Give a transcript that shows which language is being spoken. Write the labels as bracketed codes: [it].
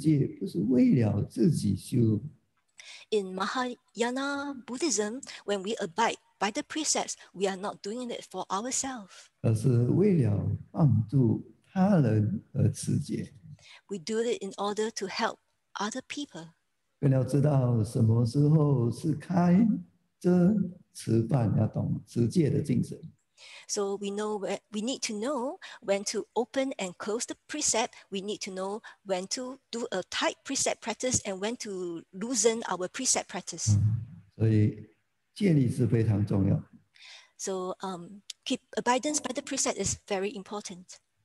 [zh] 在大乘的佛教的修行中，持戒不是为了自己修。 [en] In Mahayana Buddhism, when we abide by the precepts, we are not doing it for ourselves. [zh] 而是为了帮助他人而持戒。 [en] We do it in order to help other people. [zh] 更要知道什么时候是开遮持办，要懂持戒的精神。 [en] So we know we need to know when to open and close the precept. We need to know when to do a tight precept practice and when to loosen our precept practice. [zh] 所以戒律是非常重要。 [en] So keep abidance by the precept is very important.